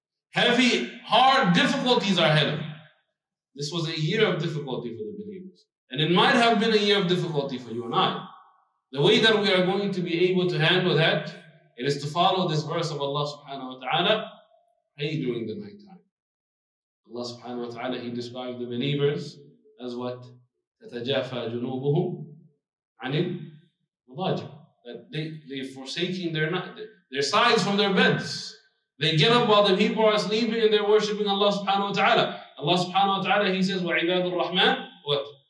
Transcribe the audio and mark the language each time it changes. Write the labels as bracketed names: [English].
[English] Heavy, hard difficulties are ahead of you. This was a year of difficulty for the believers. And it might have been a year of difficulty for you and I. The way that we are going to be able to handle that, it is to follow this verse of Allah subhanahu wa ta'ala, pray during the night time. Allah subhanahu wa ta'ala, He described the believers as what? [Arabic] تَتَجَافَى جُنُوبُهُمْ عَنِ الْمَضَاجِعِ. [English] That they're forsaking their sides from their beds. They get up while the people are sleeping and they're worshipping Allah subhanahu wa ta'ala. Allah subhanahu wa ta'ala, He says, [Arabic] وَعِبَادُ الرَّحْمَنِ [English] what?